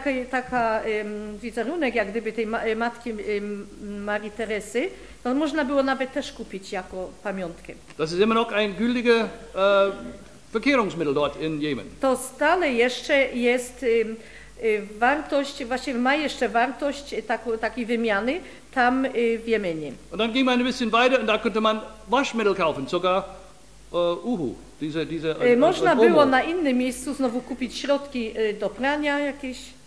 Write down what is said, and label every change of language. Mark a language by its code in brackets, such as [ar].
[pl] Taka wizerunek jak gdyby tej matki Marii Teresy, to można było nawet też kupić jako pamiątkę. [de] Das ist immer noch ein gültiger Verkehrungsmittel dort in Jemen. [pl] To stale jeszcze jest wartość, właśnie ma jeszcze wartość takiej wymiany tam w Jemenie. [de] Und dann ging man ein bisschen weiter und da konnte man Waschmittel kaufen, sogar Uhu. [pl] Można było na innym miejscu znowu kupić środki do prania jakieś.